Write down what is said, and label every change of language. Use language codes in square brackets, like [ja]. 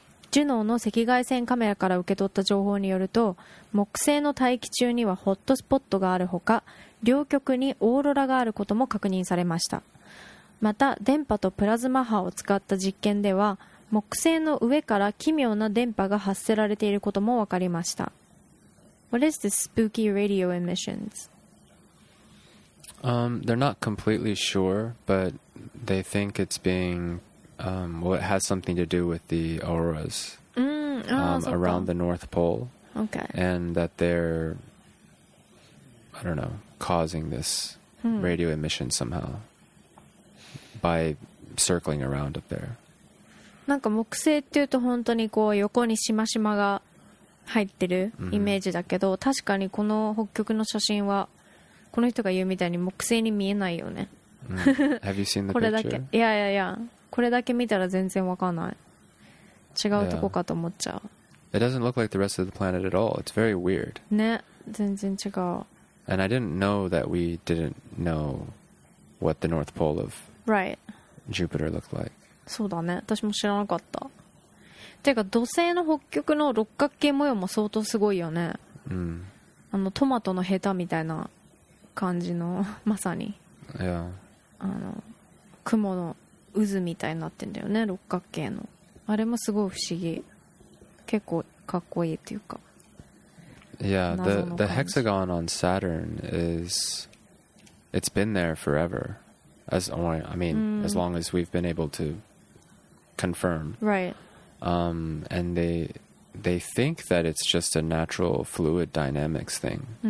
[ja] ジュノーの赤外線カメラから受け取った情報によると、木星の大気中にはホットスポットがあるほか、両極にオーロラがあることも確認されました。また電波とプラズマ波を使った実験では、木星の上から奇妙な電波が発せられていることも分かりました。 [en] What is this spooky radio emissions? They're not completely sure, but they think it's being, it has something to do with the auroras around the North Pole. Okay. And that they're, I don't know, causing this radio emission somehow by circling around up there. [ja] なんか木星っていうと本当にこう横にしましまが入ってるイメージだけど、確かにこの北極の写真はこの人が言うみたいに木星に見えないよね。 [en] Have you seen the [ja] これだけ、いやいやいや、これだけ見たら全然わかんない。違う、yeah. とこかと思っちゃう。 [en] It doesn't look like the rest of the planet at all. It's very weird. [ja] ね、全然違う。 [en] And I didn't know that we didn't know what the North Pole of Jupiter looked like. [ja] そうだね、私も知らなかった。てか土星の北極の六角形模様も相当すごいよね。あのトマトのヘタみたいな。感じのまさに、 [en] yeah. [ja] あの雲の渦みたいになってんだよね、六角形の。あれもすごい不思議、結構かっこいいっていうか。 [en] Yeah, the hexagon on Saturn is it's been there forever, as I mean as long as we've been able to confirm. Right. And they think that it's just a natural fluid dynamics thing.